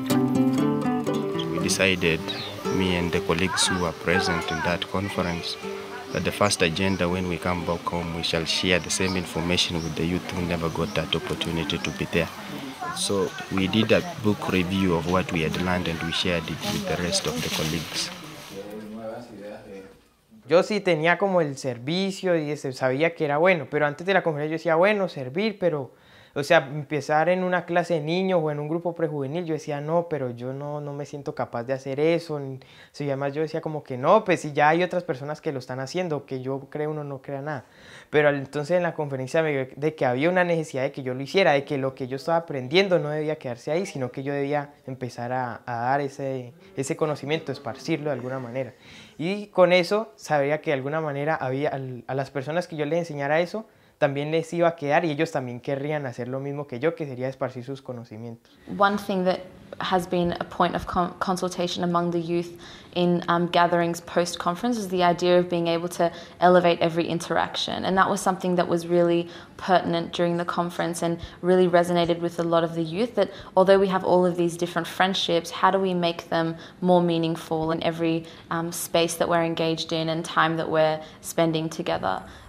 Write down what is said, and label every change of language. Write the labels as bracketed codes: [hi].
[en] We decided, me and the colleagues who were present in that conference, that the first agenda when we come back home, we shall share the same information with the youth who never got that opportunity to be there. So we did a book review of what we had learned and we shared it with the rest of the colleagues. [es] Yo sí tenía como el servicio y sabía que era bueno, pero antes de la conferencia yo decía, bueno, servir, pero, o sea, empezar en una clase de niños o en un grupo prejuvenil, yo decía, no, pero yo no me siento capaz de hacer eso. Y además yo decía como que no, pues si ya hay otras personas que lo están haciendo, que yo creo uno no crea nada. Pero entonces en la conferencia me dio de que había una necesidad de que yo lo hiciera, de que lo que yo estaba aprendiendo no debía quedarse ahí, sino que yo debía empezar a dar ese conocimiento, esparcirlo de alguna manera. Y con eso sabría que de alguna manera había a las personas que yo les enseñara eso, también les iba a quedar y ellos también querrían hacer lo mismo que yo, que sería esparcir sus conocimientos. [en] One thing that has been a point of consultation among the youth in gatherings post-conference is the idea of being able to elevate every interaction. And that was something that was really pertinent during the conference and really resonated with a lot of the youth, that although we have all of these different friendships, how do we make them more meaningful in every space that we're engaged in and time that we're spending together?